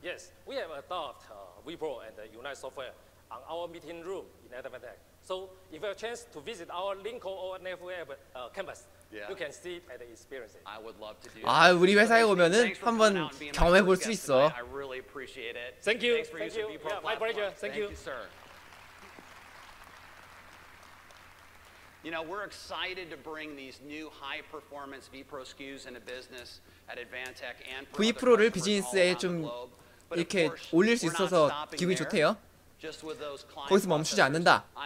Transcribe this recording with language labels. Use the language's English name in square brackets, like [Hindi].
[English] Yes, we have adopted WePro and Unite software on our meeting room in Advantech. So if you have a chance to visit our Lincoln or NFW campus. You can see it and experience it. I would love to do. [Korean] 우리 회사에 오면은 한번 경험해 볼 수 있어. [English] I really appreciate it. Thank you. Thank you. Yeah, my pleasure. Thank you. Thank you, sir. You know, we're excited to bring these new high performance vPro SKUs into business at Advantech and [Korean] vPro를 비즈니스에 좀 이렇게 올릴 수 있어서 기분이 좋대요. 거기서 멈추지 않는다.